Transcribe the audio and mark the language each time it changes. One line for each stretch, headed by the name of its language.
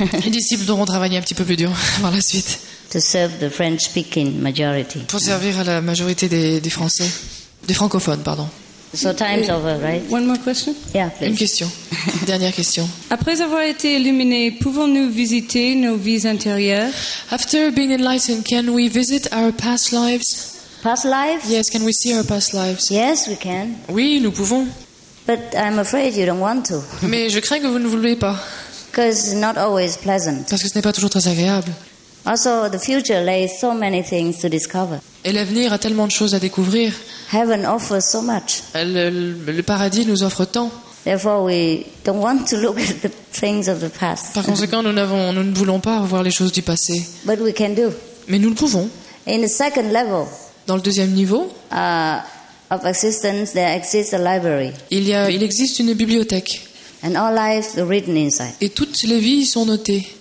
French: Les disciples devront travailler un petit peu plus dur par la suite.
English: To serve the French-speaking majority.
French: Pour servir à la majorité des Français, des francophones, pardon.
English: So time's over, right? One more question? Yeah, please.
French: Une question. Dernière question. Après avoir été illuminés, pouvons-nous visiter nos vies intérieures?
English: After being enlightened, can we visit our past lives? Past lives? Yes, can we see our past lives? Yes, we can.
French: Oui, nous pouvons.
English: But I'm afraid you don't want to.
French: Mais je crains que vous ne voulez pas.
English: Because it's not always pleasant.
French: Parce que ce n'est pas toujours très agréable.
English: Also, the future lays so many things to discover.
French: Et l'avenir a tellement de choses à découvrir.
English: Heaven offers so much.
French: Le paradis nous offre tant.
English: Therefore, we don't want to look at the things of the past.
French: Par conséquent, nous ne voulons pas revoir les choses du passé.
English: But we can do.
French: Mais nous le pouvons.
English: In the second level.
French: Dans le deuxième niveau,
English: of existence, there exists a library.
French: Il existe une bibliothèque.
English: And all lives are written inside.
French: Et toutes les vies y sont notées.